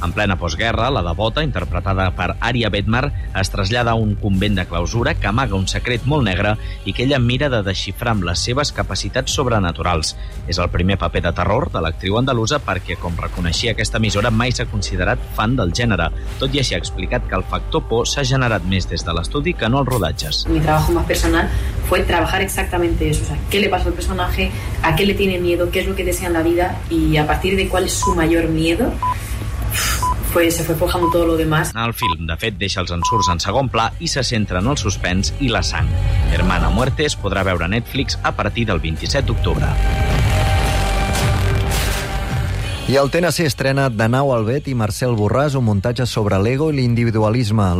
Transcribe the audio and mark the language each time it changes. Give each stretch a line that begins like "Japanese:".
Catalan: En plena postguerra, la devota, interpretada per Aria Bedmar, es trasllada a un convent de clausura que amaga un secret molt negre i que ella mira de desxifrar amb les seves capacitats sobrenaturals. És el primer paper de terror de l'actriu andalusa perquè, com reconeixia aquesta emissora, mai s'ha considerat fan del gènere. Tot i així, ha explicat que el factor por s'ha generat més des de l'estudi que no els rodatges.
Spanish: Mi trabajo más personal fue trabajar exactamente eso, o sea, qué le pasa al personaje, a qué le tiene miedo, qué es lo que desea en la vida y a partir de cuál es su mayor miedo, pues se fue forjando todo lo demás.
Catalan: El film, de fet, deixa els ensurts en segon pla i se centra en el suspens i la sang. Hermana Muerte es podrà veure a Netflix a partir del 27 d'octubre. I el TNC estrena Danau Albet i Marcel Borràs, un muntatge sobre l'ego i l'individualisme.